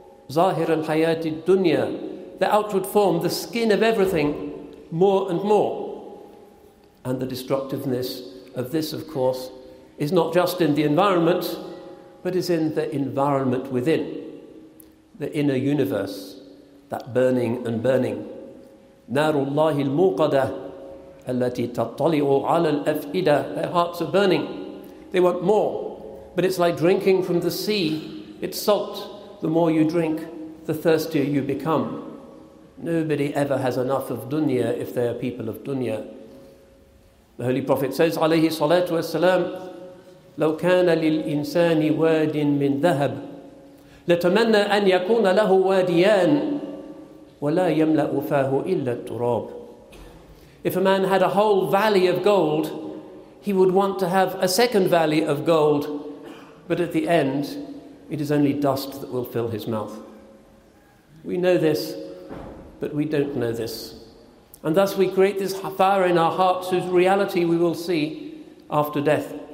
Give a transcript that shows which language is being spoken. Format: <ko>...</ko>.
<en>Zahir al-hayati dunya. The outward form, the skin of everything, more and more. And the destructiveness of this, of course, is not just in the environment, but is in the environment within, the inner universe, that burning and burning.</en> <ar>نار الله الموقدة التي تطلع على الأفئدة.</ar> <en>Their hearts are burning. They want more, but it's like drinking from the sea. It's salt. The more you drink, the thirstier you become. Nobody ever has enough of dunya if they are people of dunya. The Holy Prophet says,</en> <ar>alayhi salatu wasalam, لو كان للإنسان واد من ذهب لتمنى أن يكون له واديان ولا يملأ فاه إلا التراب.</ar> <en>If a man had a whole valley of gold, he would want to have a second valley of gold, but at the end, it is only dust that will fill his mouth. We know this, but we don't know this. And thus we create this fire in our hearts whose reality we will see after death.</en>